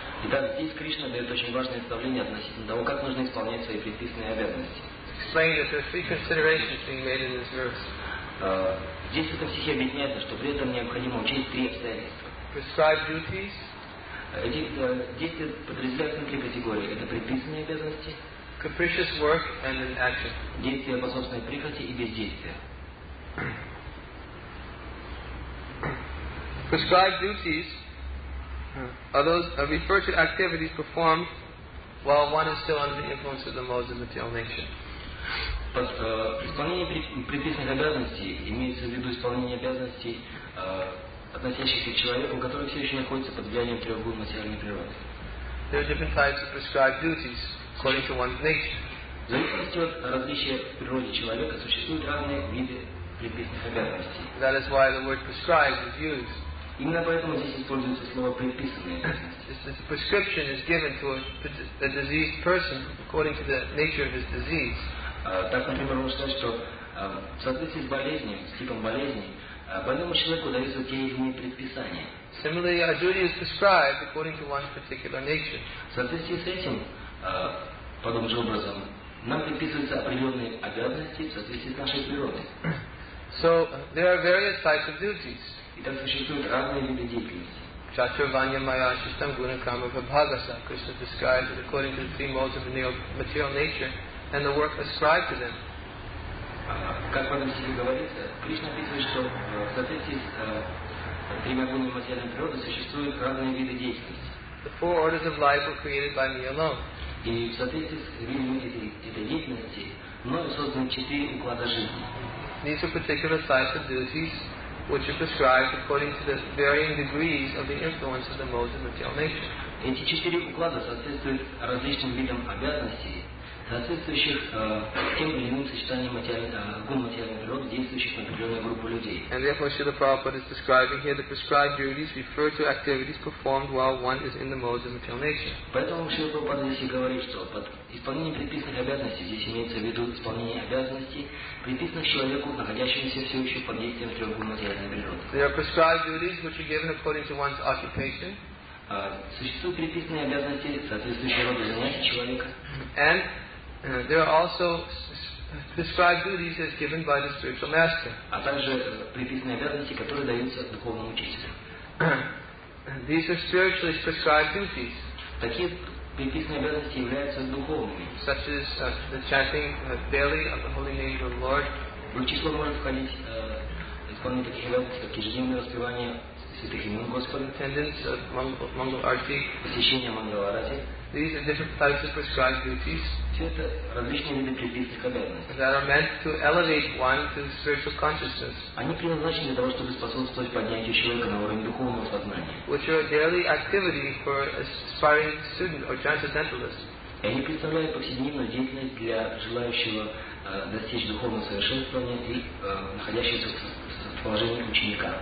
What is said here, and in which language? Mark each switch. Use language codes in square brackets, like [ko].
[ru] Итак, здесь Кришна дает очень важное наставление относительно того, как нужно исполнять свои предписанные обязанности. [en] Explain that there are three considerations being made in this verse. [ru] Здесь в этом стихе объясняется, что при этом необходимо учесть три обстоятельства. [en] Prescribed duties. [ru] Эти действия подразделяются на три категории. Это предписанные обязанности, [en] capricious work and an action. [ru] Действия по собственной прихоти и бездействия. [en] Prescribed duties are those are referred to activities performed while one is still under the influence of the modes of material nature. [ru] Исполнение предписанных обязанностей имеется в виду исполнение обязанностей, относящихся к человеку, который все еще находится под влиянием трех гун материальной природы. [en] There are different types of prescribed duties according to one's nature. [ru] В зависимости от различия в природе человека существуют разные виды предписанных обязанностей. [en] That is why the word prescribed is used. [ru] Именно поэтому здесь используется слово предписанные обязанности. [en] This prescription is given to a diseased person according to the nature of his disease. [ru] Так, например, можно сказать, что в соответствии с болезнью, с типом болезни, больному человеку даются те или иные предписания. [en] Similarly, a duty is prescribed according to one's particular nature. [ru] В соответствии с этим, подобным же образом, нам предписываются определенные обязанности в соответствии с нашей природой. [en] So, there are various types of duties. [ru] Итак, существуют разные виды деятельности. [sa] Chaturvanya Maya Shistam Guna Kama Vibhagasa. [en] Krishna describes it according to the three modes of the material nature and the work ascribed to them. [ru] Как в этом стихе говорится, Кришна описывает, что в соответствии с тремя гунами материальной природы существуют разные виды деятельности. [en] The four orders of life were created by me alone. [ru] И в соответствии с видами этой деятельности, мною созданы четыре уклада жизни. [en] These are particular types of duties which are prescribed according to the varying degrees of the influence of the modes of material nature. [ru] Эти четыре уклада соответствуют различным видам обязанностей, соответствующих тем или иным сочетаниям гун материальной природы, действующих на определенную группу людей. [en] And therefore, Srila Prabhupada is describing here the prescribed duties refer to activities performed while one is in the modes of material nature. [ru] Поэтому Srila Prabhupada здесь и говорит, что под исполнением предписанных обязанностей здесь имеется в виду исполнение обязанностей, предписанных человеку, находящемуся все еще под действием трех гун материальной природы. [en] There are prescribed duties which are given according to one's occupation. [ru] Существуют предписанные обязанности соответствующего рода занятий человека. [en] And there are also prescribed duties as given by the spiritual master. [ru] А также предписанные обязанности, которые даются духовному учителю. [en] These are spiritually prescribed duties. [ru] Такие предписанные обязанности являются духовными. [en] Such as the chanting daily of the holy name of the Lord. [ru] В число может входить исполнение таких обязанностей, как ежедневное воспевание святых имен Господа, [en] attendance of Mangal Arati, [ru] посещение Mangal Arati. [en] These are different types of prescribed duties. [ru] Все это различные виды предписанных обязанностей. [en] That are meant to elevate one to spiritual consciousness. [ru] Они предназначены для того, чтобы способствовать поднятию человека на уровень духовного сознания. [en] Which are a daily activity for aspiring student or transcendentalist. [ru] И они представляют повседневную деятельность для желающего достичь духовного совершенствования и находящегося в положении ученика.